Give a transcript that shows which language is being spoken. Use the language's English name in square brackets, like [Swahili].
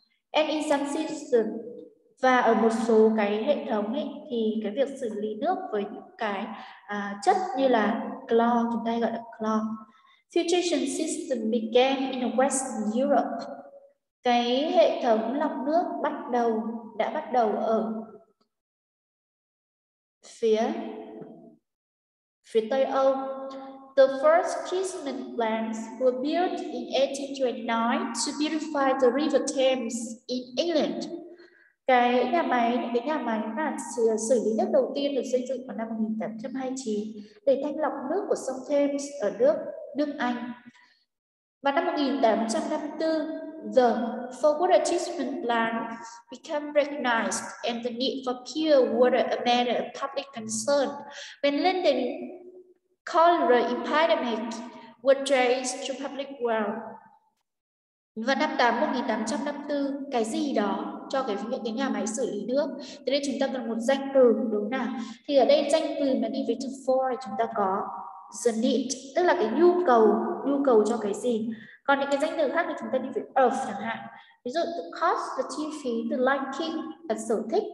[English] And in some system, [Vietnamese] và ở một số cái hệ thống ấy, thì cái việc xử lý nước với những cái chất như là clo, chúng ta hay gọi là clo. [English] Filtration system began in Western Europe. [Vietnamese] Cái hệ thống lọc nước đã bắt đầu ở phía Tây Âu. [English] The first treatment plants were built in 1829 to purify the River Thames in England. [Vietnamese] Cái nhà máy mà xử lý nước đầu tiên được xây dựng vào năm 1829 để thanh lọc nước của sông Thames ở nước Anh. Và năm 1854, [English] the for water treatment plant became recognized and the need for pure water a matter of public concern when London cholera epidemic was traced to public well. [Vietnamese] Và năm 1854, cái gì đó cho cái những cái nhà máy xử lý nước. Thế nên chúng ta cần một danh từ, đúng nào? Thì ở đây danh từ mà đi với từ for chúng ta có the need, tức là cái nhu cầu cho cái gì. Còn những cái danh từ khác thì chúng ta đi với of chẳng hạn. Ví dụ từ cost là chi phí, từ liking là sở thích.